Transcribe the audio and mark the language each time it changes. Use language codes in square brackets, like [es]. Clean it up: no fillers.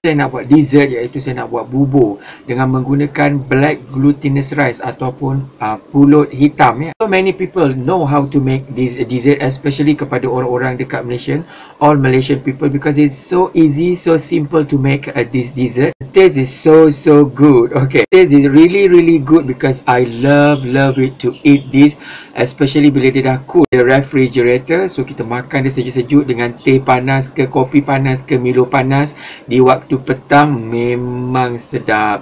[ms] Saya nak buat dessert, iaitu saya nak buat bubur dengan menggunakan [en] black glutinous rice [ms] ataupun pulut hitam. [en] Yeah. So many people know how to make this dessert, especially [ms] kepada orang-orang dekat Malaysia, [en] all Malaysian people, because it's so easy, so simple to make this dessert. The taste is so good. Okay, the taste is really good because I love it to eat this, especially [ms] bila dia dah [en] cool the refrigerator. [ms] So kita makan dia sejuk-sejuk dengan teh panas ke kopi panas ke Milo panas di waktu tu petang, memang sedap.